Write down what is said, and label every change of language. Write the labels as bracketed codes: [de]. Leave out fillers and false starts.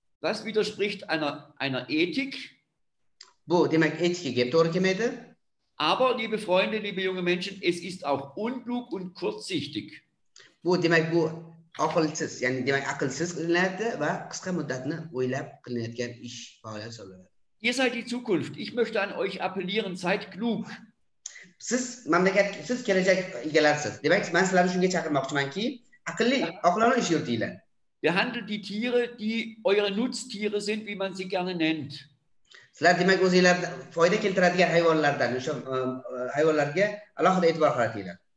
[de] Das widerspricht einer Ethik. [uz] Bu demak etikaga to'g'ri kelmaydi. [de] Aber liebe Freunde, liebe junge Menschen, es ist auch unklug und kurzsichtig. [uz] Bu demak bu aqlsiz, ya'ni demak aqlsiz qilinadi va qisqa muddatni o'ylab qilinayotgan ish faoliyat hisoblanadi. [de] Ihr seid die Zukunft. Ich möchte an euch appellieren, seid klug. [uz] Siz mamlakat, siz kelajak egalarisiz. Demak, men sizlarni shunga chaqirmoqchimanki, aqlli, oqlona ish yuritinglar. [de] Behandelt die Tiere, die eure Nutztiere sind, wie man sie gerne nennt. [uz] Sizlar demak o'zingizlarga foyda keltiradigan hayvonlardan, o'sha hayvonlarga alohida e'tibor qaratinglar.